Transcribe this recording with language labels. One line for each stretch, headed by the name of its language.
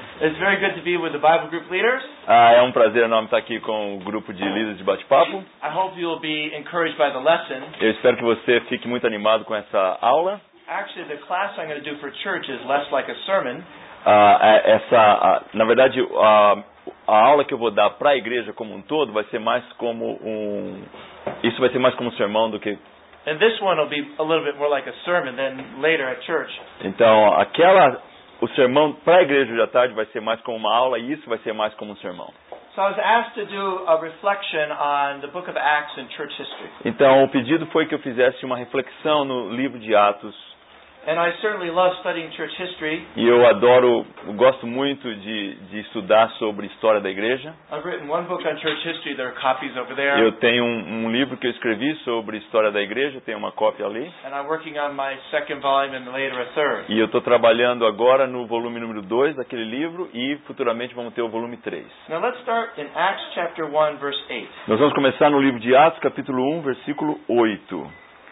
English: It's very good to be with the Bible group leaders.
Portuguese: É um prazer enorme estar aqui com o grupo de líderes de bate-papo.
English: I hope you'll be encouraged by the lesson.
Portuguese: Eu espero que você fique muito animado com essa aula.
English: Actually, the class I'm going to do for church is less like a sermon.
Portuguese: A aula que eu vou dar para a igreja como um todo vai ser mais como isso vai ser mais como um sermão do que.
English: And this one will be a little bit more like a sermon than later at church.
Portuguese: Então, o sermão para a igreja hoje à tarde vai ser mais como uma aula e isso vai ser mais como um sermão.
English: So I was asked to do a reflection on the book of Acts and church history.
Portuguese: Então, o pedido foi que eu fizesse uma reflexão no livro de Atos.
English: And I certainly love studying church history.
Portuguese: E eu adoro, gosto muito de estudar sobre a história da igreja.
English: I've written one book on church history. There are copies over there.
Portuguese: Eu tenho um livro que eu escrevi sobre a história da igreja, tem uma cópia ali.
English: And I'm working on my second volume and later a third.
Portuguese: E eu estou trabalhando agora no volume número 2 daquele livro e futuramente vamos ter o volume 3.
English: Now let's start in Acts chapter 1 verse 8.
Portuguese: Nós vamos começar no livro de Atos, capítulo 1, versículo 8.